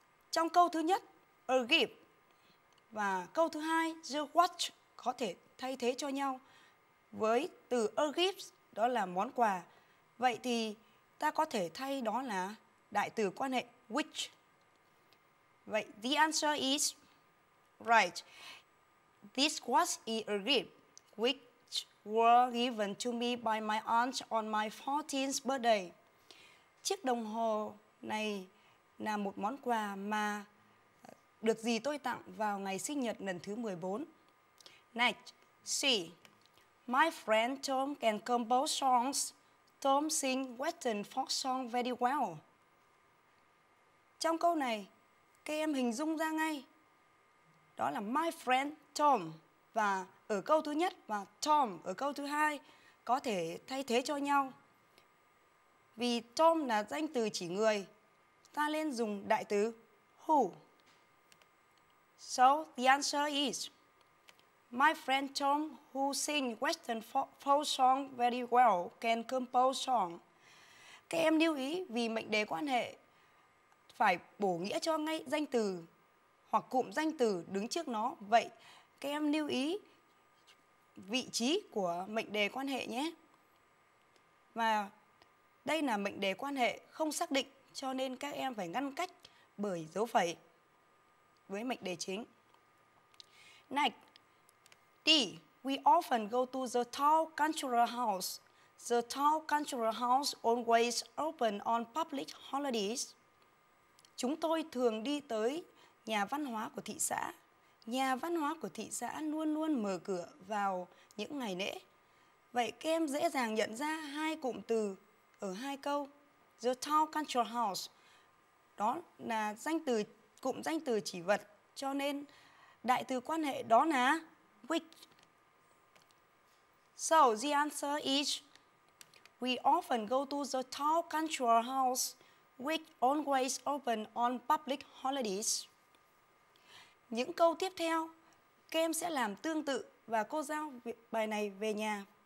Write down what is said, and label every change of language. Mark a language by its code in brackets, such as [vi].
[vi] Trong câu thứ nhất, [en] a gift, [vi] và câu thứ hai, [en] the watch [vi] có thể thay thế cho nhau với từ a gift, đó là món quà. Vậy thì ta có thể thay đó là đại từ quan hệ which. [en] Vậy the answer is right. This watch is a gift which was given to me by my aunt on my 14th birthday. [vi] Chiếc đồng hồ này là một món quà mà được dì tôi tặng vào ngày sinh nhật lần thứ 14. [en] Next, see. My friend Tom can compose songs. Tom sings Western folk song very well. [vi] Trong câu này, các em hình dung ra ngay. Đó là [en] my friend Tom [vi] và ở câu thứ nhất và Tom ở câu thứ hai có thể thay thế cho nhau. Vì Tom là danh từ chỉ người, ta nên dùng đại từ who. [en] So the answer is my friend Tom, who sings Western folk song very well, can compose song. [vi] Các em lưu ý vì mệnh đề quan hệ phải bổ nghĩa cho ngay danh từ hoặc cụm danh từ đứng trước nó. Vậy các em lưu ý vị trí của mệnh đề quan hệ nhé. Và đây là mệnh đề quan hệ không xác định, cho nên các em phải ngăn cách bởi dấu phẩy với mệnh đề chính. [en] Next. D. We often go to the Tall Cultural House. The Tall Cultural House always open on public holidays. [vi] Chúng tôi thường đi tới nhà văn hóa của thị xã. Nhà văn hóa của thị xã luôn luôn mở cửa vào những ngày lễ. Vậy các em dễ dàng nhận ra hai cụm từ ở hai câu. [en] The Tall Cultural House [vi] đó là danh từ, cụm danh từ chỉ vật, cho nên đại từ quan hệ đó là which. [en] So the answer is We often go to the Tao Cultural House, which always open on public holidays. [vi] Những câu tiếp theo, các em sẽ làm tương tự và cô giao bài này về nhà.